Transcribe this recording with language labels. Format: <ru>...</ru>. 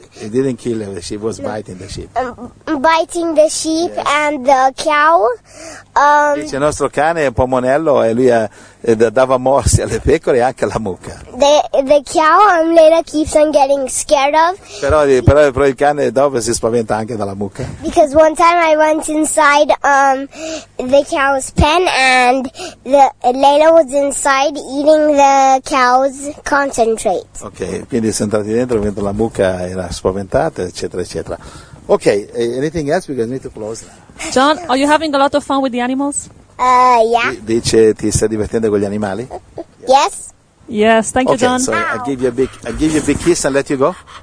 <en>Didn't kill the sheep. It was biting the sheep. Biting the sheep, yes. And the cow.</en> <it>Dice il nostro cane è un pomonello e lui dava morsi alle pecore e anche alla mucca.</it> <en>The cow Amleta keeps on getting scared of.</en> <it>Però il cane dopo si spaventa anche dalla mucca.</it> <en>Because one time I went inside the cow's pen and Leila was inside eating the cow's concentrate.</en> <it>Ok, quindi sono entrati dentro mentre la mucca era spaventata, eccetera, eccetera.</it> <en>Ok, anything else? Because we need to close now. John, are you having a lot of fun with the animals? Yeah.</en> <it>Dice, ti stai divertendo con gli animali?</it> <en>Yes. Yes, thank you, okay, John. Okay, so I give you a big kiss and let you go.</en>